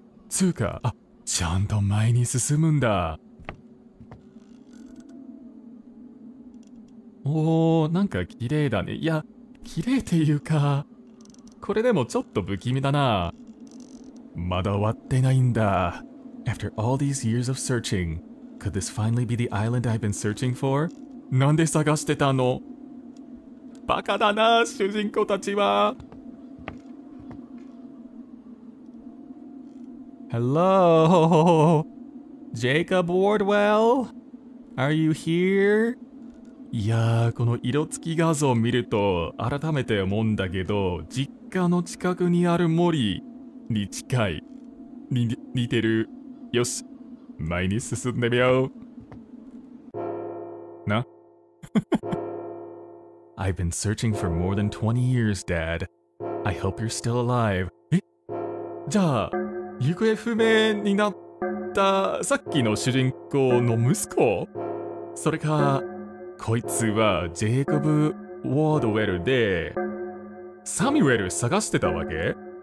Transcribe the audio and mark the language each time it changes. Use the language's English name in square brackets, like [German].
[Japanese] つうか、あ、ちゃんと前に進むんだ。おお、なんか綺麗だね。いや、綺麗っていうか、これでもちょっと不気味だな。まだ終わってないんだ。 [English] After all these years of searching, could this finally be the island I've been searching for? [Japanese] なんで探してたの？バカだな、主人公たちは。 [English] Hello! Jacob Wardwell? Are you here? [Japanese] いやー、この色付き画像を見ると改めて思うんだけど、実家の近くにある森に近い。似てる。よし、前に進んでみよう。な？ [English] I've been searching for more than 20 years, Dad. I hope you're still alive. [Japanese] え？じゃあ、行方不明になったさっきの主人公の息子？それか、こいつはジェイコブ・ウォードウェルでサミュエル探してたわけ？